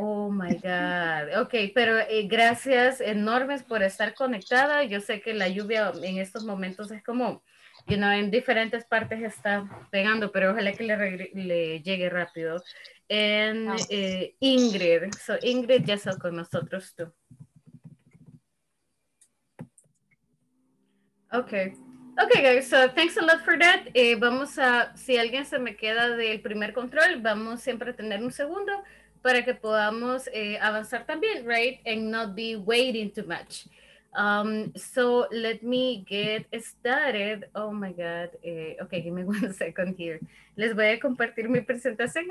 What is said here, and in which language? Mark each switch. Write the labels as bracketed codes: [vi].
[en] Oh my God. [es] Ok, pero gracias enormes por estar conectada. Yo sé que la lluvia en estos momentos es como, [en] you know, [es] en diferentes partes está pegando, pero ojalá que le llegue rápido. En Ingrid, so Ingrid ya está con nosotros tú. [en] Ok. Ok, guys, so thanks a lot for that. [es] Vamos a, si alguien se me queda del primer control, vamos siempre a tener un segundo para que podamos avanzar también, [en] right? And not be waiting too much. So let me get started. Oh my God. Ok, give me one second here. [es] Les voy a compartir mi presentación.